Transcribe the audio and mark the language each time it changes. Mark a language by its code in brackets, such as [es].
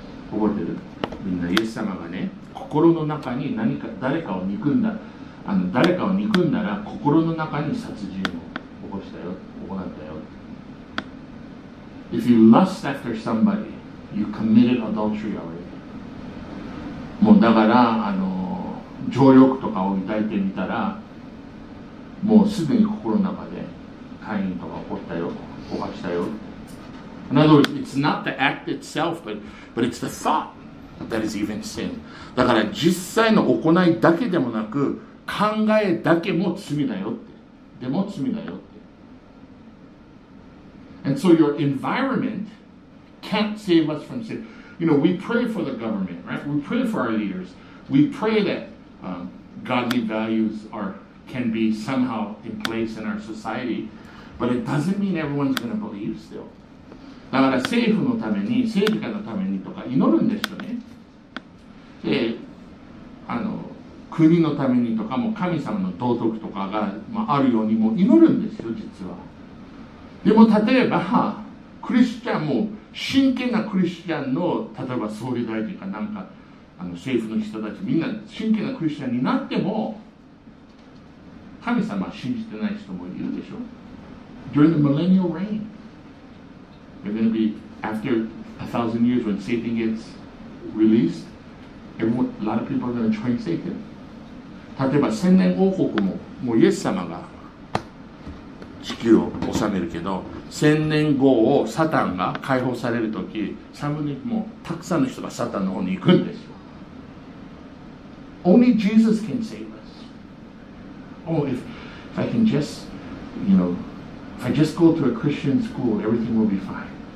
[ja] 覚えてる？みんな、イエス様がね、心の中に何か誰かを憎んだ。誰かを憎んだら心の中に殺人を起こしたよ、行ったよ。 [en] If you lust after somebody, you committed adultery already. [ja] もうだから、情欲とかを抱いてみたら、もうすでに心の中で、カインとか起こったよ、起こしたよ。 [en] In other words, it's not the act itself, but it's the thought that is even sin. [ja] だから実際の行いだけでもなく、考えだけも罪だよって。でも罪だよって。 [en] And so your environment can't save us from sin. You know, we pray for the government, right? We pray for our leaders. We pray that、godly values can be somehow in place in our society. But it doesn't mean everyone's going to believe still. [ja] だから政府のために、政治家のためにとか祈るんですよね。で、国のためにとかも神様の道徳とかが、あるようにも祈るんですよ、実は。でも例えば、クリスチャンも、真剣なクリスチャンの、例えば総理大臣かなんか、政府の人たち、みんな真剣なクリスチャンになっても、神様は信じてない人もいるでしょ。 [en] During the millennial reign. They're going to be, after 1,000 years, when Satan gets released, a lot of people are going to join Satan. [ja] 例えば千年王国も、もうイエス様が地球を治めるけど、千年後をサタンが解放されるとき、もうたくさんの人がサタンの方に行くんですよ。 [en] Only Jesus can save us. Oh, if I can just, you know, if I just go to a Christian school, everything will be fine.